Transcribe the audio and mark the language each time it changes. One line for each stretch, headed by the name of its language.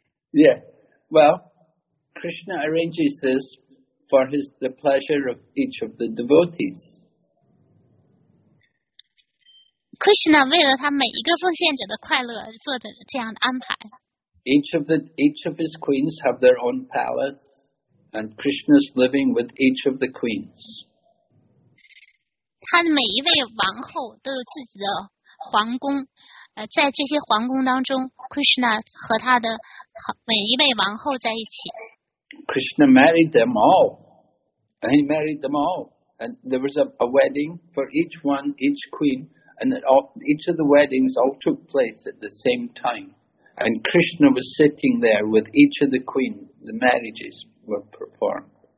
English: Yeah, well, Krishna arranges this for the pleasure of each of the devotees.
Chinese: Krishna 为了他每一个奉献者的快乐做着这样的安排。
English: Each of his queens have their own palace, and Krishna's living with each of the queens.
Chinese: 他每一位王后都有自己的皇宫，在这些皇宫当中 ，Krishna 和他的每一位王后在一起。
English: Krishna married them all, and he married them all, and there was a wedding for each one, each queen, and each of the weddings all took place at the same time, and Krishna was sitting there with each of the queen. The marriages were performed.